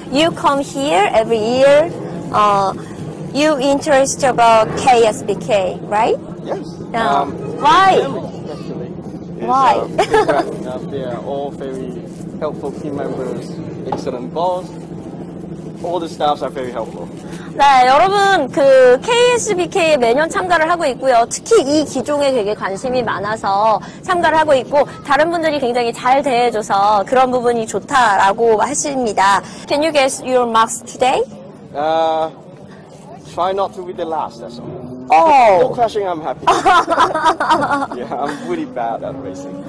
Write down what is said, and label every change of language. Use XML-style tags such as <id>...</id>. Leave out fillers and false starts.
<en>You come here every year. You interested about KSBK, right? Yes. Why? Why? They are all very helpful team members, excellent boss. All the staffs are very helpful.</en> <ko>네, 여러분, 그 KSBK에 매년 참가를 하고 있고요. 특히 이 기종에 되게 관심이 많아서 참가를 하고 있고, 다른 분들이 굉장히 잘 대해줘서 그런 부분이 좋다라고 하십니다.</ko> <en>Can you guess your marks today? Try not to be the last, that's all. No crashing, I'm happy. Yeah, I'm really bad at racing.</en>